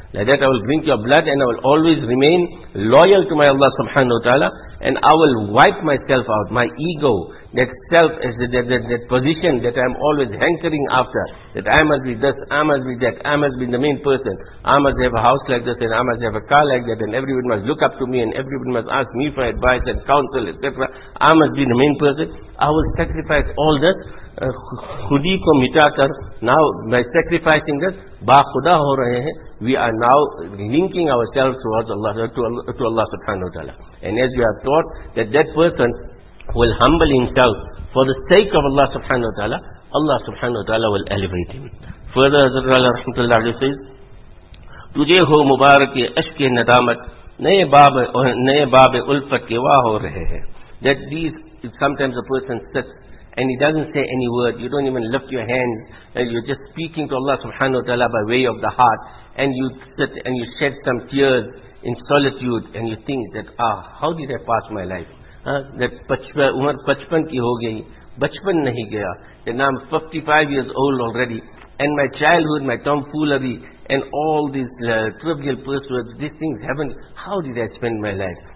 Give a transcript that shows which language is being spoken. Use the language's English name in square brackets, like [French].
[English] Like that, I will drink your blood and I will always remain loyal to my Allah subhanahu wa ta'ala, and I will wipe myself out, my ego, that self, that position that I am always hankering after, that I must be this, I must be that, I must be the main person, I must have a house like this, and I must have a car like that, and everyone must look up to me, and everyone must ask me for advice and counsel, etc. I must be the main person. I will sacrifice all this. [Urdu] خودی کو مٹا کر [English] now by sacrificing this [Urdu] با خدا ہو رہے ہیں. [English] We are now linking ourselves towards Allah, to Allah subhanahu wa ta'ala. And as we are taught that person will humble himself for the sake of Allah subhanahu wa ta'ala, Allah subhanahu wa ta'ala will elevate him. Further, [Urdu] حضرت اللہ رحمت اللہ علیہ says, تجھے ہو مبارک عشق ندامت نئے باب الفت کے واہ ہو رہے ہیں. [English] That these, sometimes a person sits and he doesn't say any word, you don't even lift your hand, you're just speaking to Allah subhanahu wa ta'ala by way of the heart, and you sit and you shed some tears in solitude, and you think that, how did I pass my life? That [Urdu] umar pachpan ki ho gayi, bachpan nahi gaya, [English] that now I'm 55 years old already, and my childhood, my tomfoolery, and all these trivial pursuits, these things haven't, how did I spend my life?